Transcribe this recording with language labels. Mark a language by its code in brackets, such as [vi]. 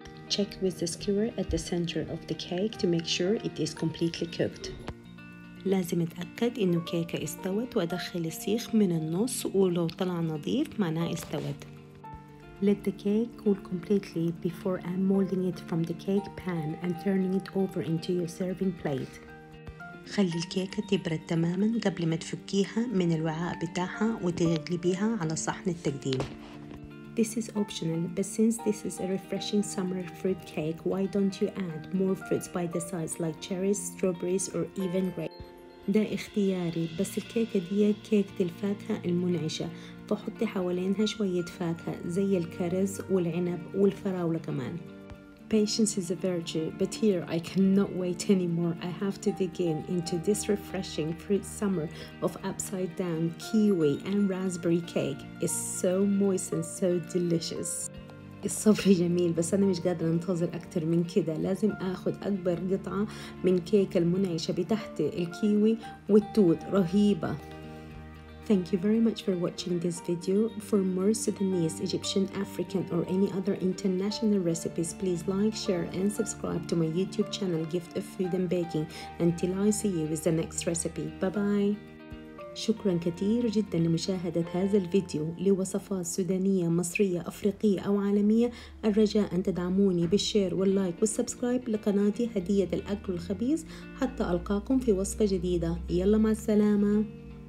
[en] Check with the skewer at the center of the cake to make sure it is completely cooked. [ar] لازم اتأكد انه الكيكة استوت وادخل السيخ من النص ولو طلع نظيف معناه استوت. [en] Let the cake cool completely before unmolding it from the cake pan and turning it over into your serving plate. [ar] خلي الكيكة تبرد تماما قبل ما تفكيها من الوعاء بتاعها وتقلبيها على صحن التقديم. [en] This is optional, but since this is a refreshing summer fruit cake, why don't you add more fruits by the sides like cherries, strawberries, or even grapes? [ar] ده اختياري بس الكيكة دي كيكة الفاكهة المنعشة فحطي حوالينها شوية فاكهة زي الكرز والعنب والفراولة كمان. [en] Patience is a virtue, but here I cannot wait anymore. I have to begin into this refreshing fruit summer of upside down kiwi and raspberry cake. It's so moist and so delicious. [ar] الصبر جميل بس أنا مش قادرة أنتظر أكتر من كده. لازم أخذ أكبر قطعة من كيكة المنعشة بتحت الكيوي والتوت. رهيبة. [en] Thank you very much for watching this video. For more Sudanese, Egyptian, African, or any other international recipes, please like, share, and subscribe to my YouTube channel, Gift of Food and Baking. Until I see you with the next recipe. Bye-bye. [ar] شكرا كثير جدا لمشاهدة هذا الفيديو. لوصفات سودانية مصرية أفريقية أو عالمية الرجاء أن تدعموني بالشير واللايك والسبسكرايب لقناتي هدية الأكل الخبيث حتى ألقاكم في وصفة جديدة. يلا مع السلامة.